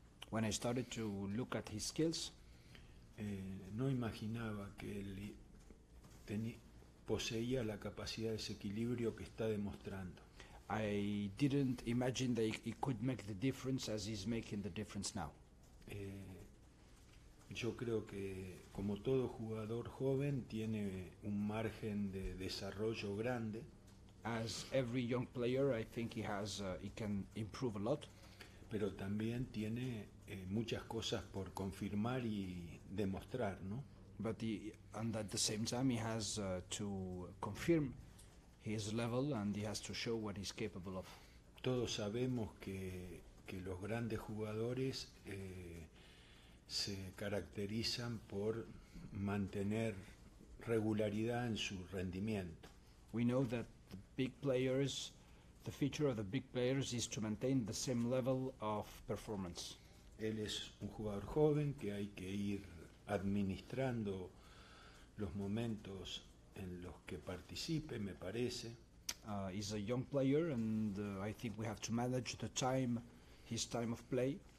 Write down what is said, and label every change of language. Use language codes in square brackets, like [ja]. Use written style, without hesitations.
[en] when I started to look at his skills, [es] no imaginaba que él poseía la capacidad de ese equilibrio que está demostrando. [en] I didn't imagine that he could make the difference as he's making the difference now. [es] Yo creo que como todo jugador joven tiene un margen de desarrollo grande. [en] As every young player, I think he has, he can improve a lot. [es] Pero también tiene muchas cosas por confirmar y demostrar, ¿no? [en] But he, and at the same time, he has to confirm his level and he has to show what he's capable of. [es] Todos sabemos que los grandes jugadores se caracterizan por mantener regularidad en su rendimiento. [en] We know that big players, the feature of the big players is to maintain the same level of performance. [es] Él es un jugador joven que hay que ir administrando los momentos en los que participe, me parece. [en] He's a young player and I think we have to manage the time, his time of play.